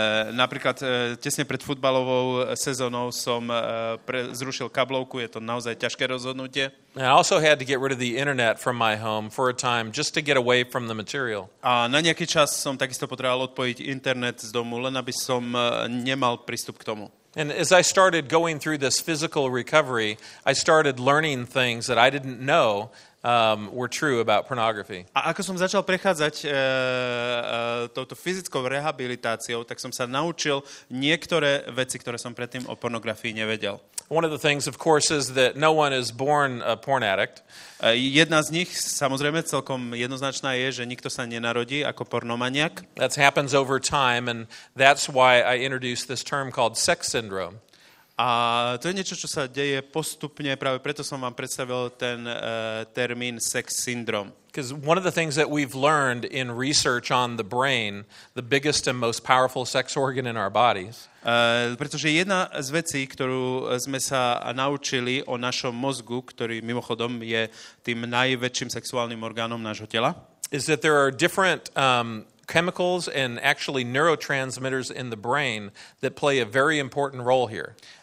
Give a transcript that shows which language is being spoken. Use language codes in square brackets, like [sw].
[sk] Napríklad tesne pred futbalovou sezónou som zrušil kablovku, je to naozaj ťažké rozhodnutie. [en] I also had to get rid of the internet from my home for a time just to get away from the material. [sk] A na nejaký čas som takisto potreboval odpojiť internet z domu, len aby som nemal prístup k tomu. [en] And as I started going through this physical recovery, I started learning things that I didn't know were true about pornography. [sk] A ako som začal prechádzať touto fyzickou rehabilitáciou, tak som sa naučil niektoré veci, ktoré som predtým o pornografii nevedel. [en] One of the things, of course, is that no one is born a porn addict. [sk] Jedna z nich, samozrejme, celkom jednoznačná je, že nikto sa nenarodí ako pornomaniak. [en] That happens over time, and that's why I introduced this term called sex syndrome. [sk] A to je niečo, čo sa deje postupne, práve preto som vám predstavil ten termín sex syndrom. [en] Because one of the things that we've learned in research on the brain, the biggest and most powerful sex organ in our bodies. [sk] Pretože jedna z vecí, ktorú sme sa naučili o našom mozgu, ktorý mimochodom je tým najväčším sexuálnym orgánom nášho tela, [en] is that there are different chemicals and actually neurotransmitters in the brain that play a very important role here.